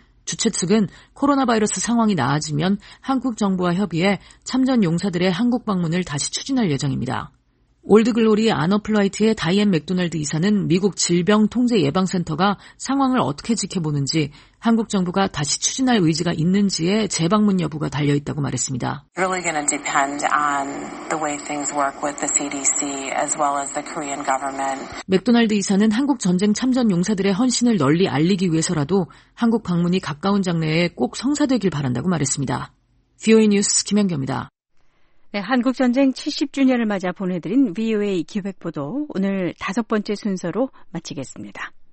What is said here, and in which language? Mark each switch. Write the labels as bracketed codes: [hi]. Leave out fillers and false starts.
[ko] 주최 측은 코로나 바이러스 상황이 나아지면 한국 정부와 협의해 참전 용사들의 한국 방문을 다시 추진할 예정입니다. 올드글로리 아너플라이트의 다이앤 맥도날드 이사는 미국 질병통제예방센터가 상황을 어떻게 지켜보는지 한국 정부가 다시 추진할 의지가 있는지에 재방문 여부가 달려있다고 말했습니다. [en] Really going to depend on the way things work with the CDC as well as the Korean government. [ko] 맥도날드 이사는 한국 전쟁 참전 용사들의 헌신을 널리 알리기 위해서라도 한국 방문이 가까운 장래에 꼭 성사되길 바란다고 말했습니다. VOA 뉴스 김현경입니다. 네, 한국전쟁 70주년을 맞아 보내드린 VOA 기획보도 오늘 다섯 번째 순서로 마치겠습니다.